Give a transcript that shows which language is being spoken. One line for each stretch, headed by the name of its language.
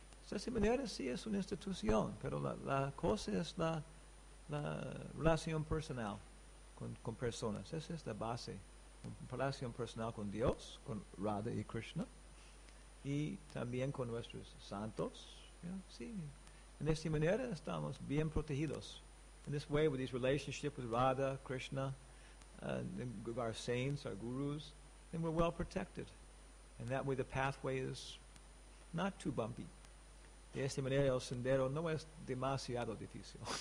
Spanish: El seminario sí es una institución, pero la cosa es la relación personal con personas. Esa es la base. Una relación personal con Dios, con Radha y Krishna, y también con nuestros santos. Yeah, sí. En esta manera estamos bien protegidos.
English: In this way, with this relationship with Radha, Krishna, with our saints, our gurus, then we're well protected. And that way the pathway is not too bumpy. De esta manera el sendero no es demasiado difícil.